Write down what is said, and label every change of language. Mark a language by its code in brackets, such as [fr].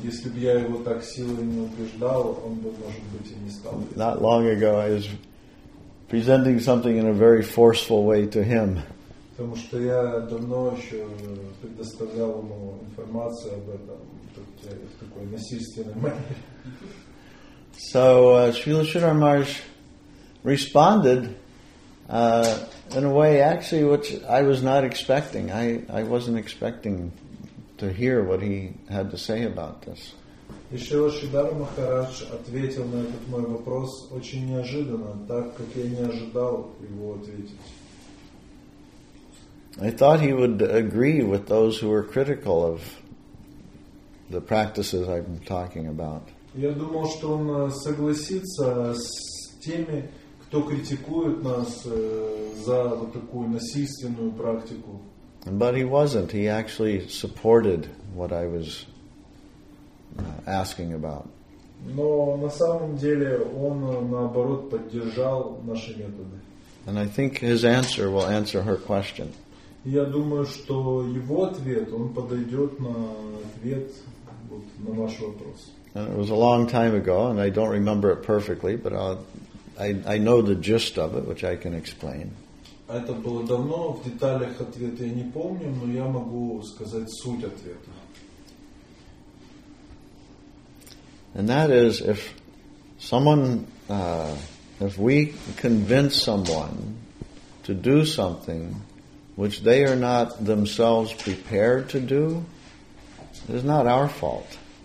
[ru] Если бы я его так силой не убеждал, он бы, может быть, и не стал. [en] Not long ago, I was presenting something in a very forceful way to him. [ru] Потому что я давно еще предоставлял ему информацию об этом в такой насильственной манере. [en] So, Srila Sridhara Maharaj responded in a way, actually, which I was not expecting. I wasn't expecting to hear what he had to say about this. [ru] И Шрила Шридхара Махарадж ответил на этот мой вопрос очень неожиданно, так как я не ожидал его ответить. [en] I thought he would agree with those who were critical of the practices I'm talking about. [ru] Я думал, что он согласится с теми, кто критикует нас за вот такую насильственную практику. [en] But he wasn't. He actually supported what I was asking about. [ru] Но на самом деле он наоборот поддержал наши методы. [en] And I think his answer will answer her question. [ru] Я думаю, что его ответ, он подойдет на ответ вот, на ваш вопрос. [en] And it was a long time ago, and I don't remember it perfectly, but I know the gist of it, which I can explain. [ru] Это было давно, в деталях ответа я не помню, но я могу сказать суть ответа. [en] And that is, if someone, if we convince someone to do something which they are not themselves prepared to do, it is not our fault.